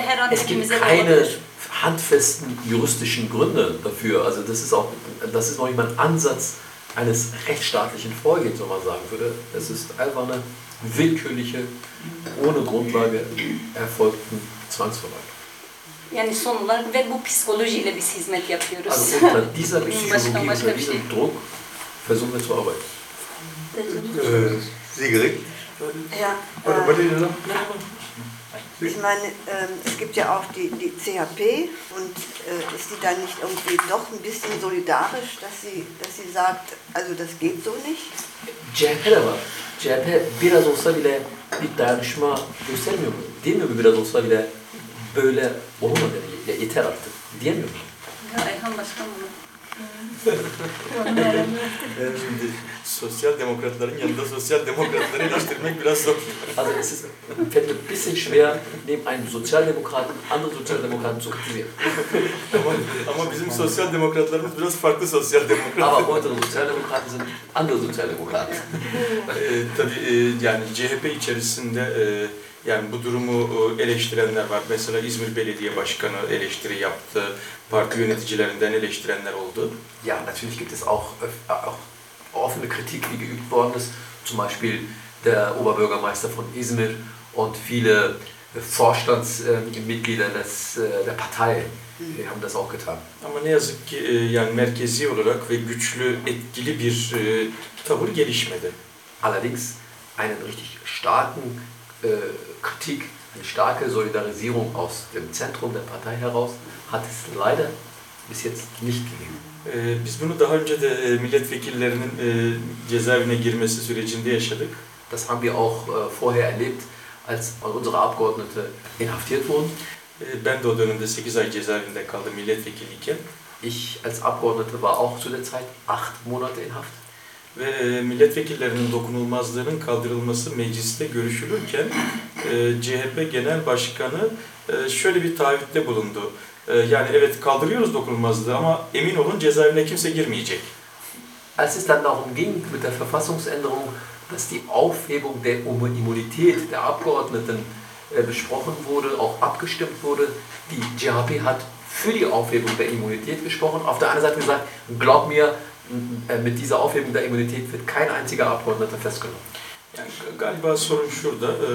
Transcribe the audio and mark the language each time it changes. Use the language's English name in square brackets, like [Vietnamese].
[German] es gibt keine handfesten juristischen Gründe dafür, also das ist auch noch nicht mal ein Ansatz eines rechtsstaatlichen Vorgehens, wenn man sagen würde. Es ist einfach eine willkürliche, ohne Grundlage erfolgte Zwangsverwaltung. [Turkish] Yani son olarak ve bu psikolojiyle biz hizmet yapıyoruz. [German] Also unter dieser Psychologie, unter diesem şey. Druck versuchen wir zu arbeiten. Sie gerecht? Ja. Oder wollt ihr noch? Ich meine, es gibt ja auch die CHP und ist die dann nicht irgendwie doch ein bisschen solidarisch, dass sie sagt, also das geht so nicht? [Turkish] CHP de var. CHP biraz olsa bile bir dayanışma göstermiyor mu? Demiyor mu biraz olsa bile böyle olmadı ya yeter artık. Diyemiyor mu? Ya Ayhan başkan mı? Şimdi sosyal demokratların yanında sosyal demokratları eleştirmek biraz zor. [German] Also es ist fällt ein bisschen schwer, neben einem Sozialdemokraten andere Sozialdemokraten zu kritisieren. [Turkish] Ama bizim sosyal demokratlarımız biraz farklı sosyal demokrat. Ama bu arada sosyal demokrat sizin [German] andere Sozialdemokrat. [Turkish] Tabii yani CHP içerisinde yani bu durumu eleştirenler var. Mesela İzmir Belediye Başkanı eleştiri yaptı. Parti yöneticilerinden eleştirenler oldu. [German] Ja, natürlich gibt es auch offene Kritik, die geübt worden ist. Zum Beispiel der Oberbürgermeister von İzmir und viele Vorstandsmitglieder der Partei haben das auch getan. [Turkish] Ama ne yazık ki yani merkezi olarak ve güçlü, etkili bir tavır gelişmedi. [German] Allerdings einen richtig starken Kritik, eine starke Solidarisierung aus dem Zentrum der Partei heraus hat es leider bis jetzt nicht gegeben. [Turkish] Biz bunu daha önce de milletvekillerinin cezaevine girmesi sürecinde yaşadık. [German] Das haben wir auch vorher erlebt, als unsere Abgeordnete inhaftiert wurden. [Turkish] Ben de o dönemde 8 ay cezaevinde kaldım milletvekiliyken. [German] Ich als Abgeordnete war auch zu der Zeit 8 Monate in Haft. [Turkish] Ve milletvekillerinin dokunulmazlığının kaldırılması mecliste görüşülürken CHP Genel Başkanı şöyle bir taahhütte bulundu. Yani evet kaldırıyoruz dokunulmazlığı ama emin olun cezaevine kimse girmeyecek. [German] Als es dann darum ging mit der Verfassungsänderung, dass die Aufhebung der Immunität der Abgeordneten besprochen wurde, auch abgestimmt wurde, die CHP hat für die Aufhebung der Immunität gesprochen. Auf der anderen Seite gesagt, glaub mir, mit dieser Aufhebung der Immunität wird kein einziger Abgeordneter festgenommen. [Turkish] Yani galiba sorun şurada.